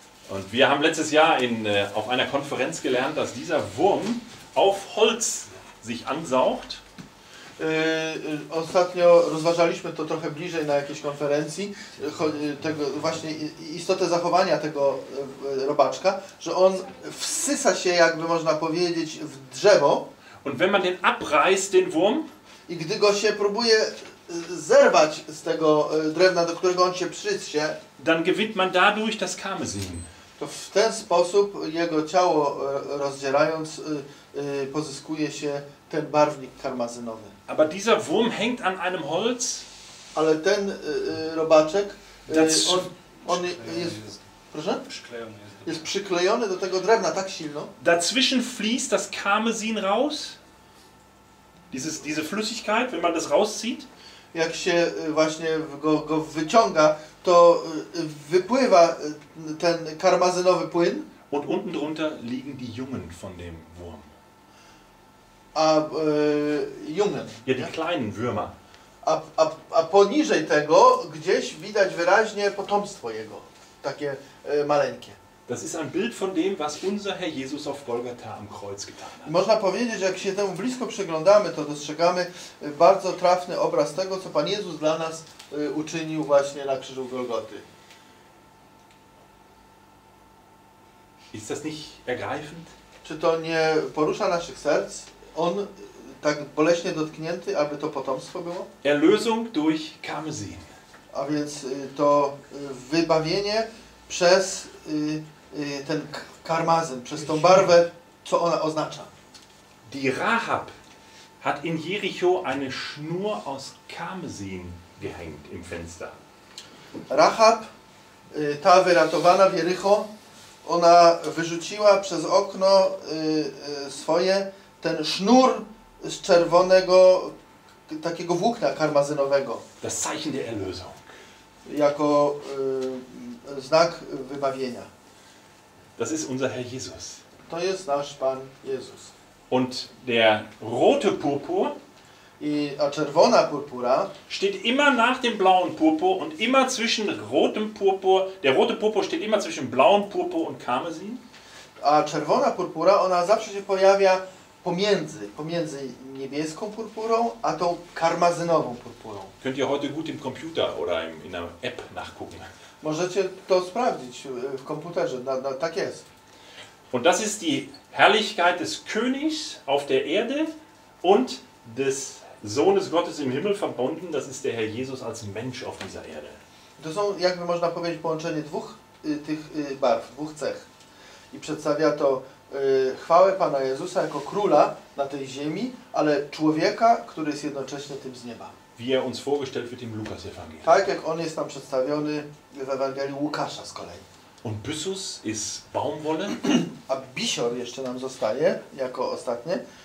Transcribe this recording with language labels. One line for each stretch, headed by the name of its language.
German: Und wir haben letztes Jahr auf einer Konferenz gelernt, dass dieser Wurm auf Holz sich ansaugt.
Polish: Ostatnio rozważaliśmy to trochę bliżej na jakiejś konferencji, tego właśnie istotę zachowania tego robaczka, że on wsysa się, jakby można powiedzieć, w drzewo.
German: Und wenn man den abreißt, den Wurm,
Polish: i gdy go się próbuje zerwać z tego drewna, do którego on się przysie,
German: dann gewinnt man dadurch das Karmesin.
Polish: To w ten sposób jego ciało rozdzierając pozyskuje się ten barwnik karmazynowy.
German: Aber dieser Wurm hängt an einem Holz.
Polish: Ale ten robaczek, on jest, proszę? Jest przyklejony do tego drewna tak silno.
German: Dazwischen fließt das Karmesin raus. Diese Flüssigkeit, wenn man das rauszieht.
Polish: Jak się właśnie go wyciąga, to wypływa ten karmazynowy płyn.
German: Und unten drunter liegen die Jungen von dem Wurm. Jungen. Ja, die kleinen Würmer.
Polish: A poniżej tego gdzieś widać wyraźnie potomstwo jego, takie maleńkie.
German: Das ist ein Bild von dem, was unser Herr Jesus auf Golgatha am Kreuz getan hat.
Polish: Można powiedzieć, jak się temu blisko przyglądamy, to dostrzegamy bardzo trafny obraz tego, co Pan Jezus dla nas uczynił właśnie na krzyżu Golgoty.
German: Ist das nicht ergreifend?
Polish: Czy to nie porusza naszych serc? On tak boleśnie dotknięty, aby to potomstwo było?
German: Erlösung durch Karmesin.
Polish: A więc to wybawienie przez ten karmazyn, przez tą barwę, co ona oznacza.
German: Die Rahab hat in Jericho eine Schnur aus Karmesin gehängt im Fenster.
Polish: Rahab, ta wyratowana w Jericho, ona wyrzuciła przez okno swoje ten sznur z czerwonego takiego włókna karmazynowego.
German: Das Zeichen der Erlösung.
Polish: Jako znak wybawienia.
German: Das ist unser Herr Jesus.
Polish: To jest nasz Pan Jezus.
German: Und der rote purpur,
Polish: a czerwona purpura,
German: steht immer nach dem blauen purpur und immer zwischen rotem purpur. Der rote purpur steht immer zwischen blauem purpur und karmesin.
Polish: A czerwona purpura, ona zawsze się pojawia pomiędzy niebieską purpurą a tą karmazynową purpurą.
German: Könnt ihr heute gut im Computer oder in einer App nachgucken.
Polish: Możecie to sprawdzić w komputerze, tak jest.
German: Und das ist die Herrlichkeit des Königs auf der Erde und des Sohnes Gottes im Himmel verbunden, das ist der Herr Jesus als Mensch auf dieser Erde.
Polish: To są, jakby można powiedzieć, połączenie dwóch tych barw, dwóch cech. I przedstawia to chwałę Pana Jezusa jako króla na tej ziemi, ale człowieka, który jest jednocześnie tym z nieba.
German: Wie er uns vorgestellt wird im Lukas-Evangelium.
Polish: Tak, jak on jest tam przedstawiony w Ewangelii Łukasza z kolei.
German: Und Byssus ist Baumwolle.
Polish: A bisior jeszcze nam zostaje, jako ostatnie,